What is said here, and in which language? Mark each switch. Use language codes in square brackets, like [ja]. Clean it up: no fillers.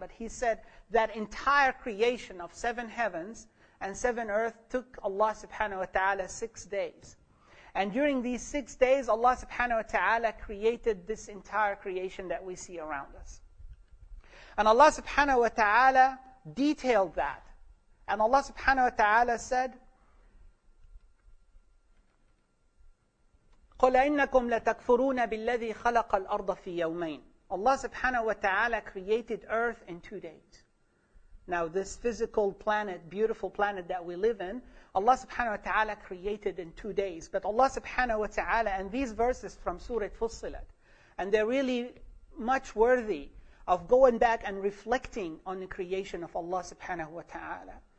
[en] But He said that entire creation of seven heavens and seven earth took Allah subhanahu wa ta'ala 6 days. And during these 6 days, Allah subhanahu wa ta'ala created this entire creation that we see around us. And Allah subhanahu wa ta'ala detailed that. And Allah subhanahu wa ta'ala said, [ar] قُلْ إِنَّكُمْ لَتَكْفُرُونَ بِالَّذِي خَلَقَ الْأَرْضَ فِي يَوْمَيْنِ. [en] Allah subhanahu wa ta'ala created earth in 2 days. Now this physical planet, beautiful planet that we live in, Allah subhanahu wa ta'ala created in 2 days. But Allah subhanahu wa ta'ala, and these verses from Surah Fussilat, and they're really much worthy of going back and reflecting on the creation of Allah subhanahu wa ta'ala.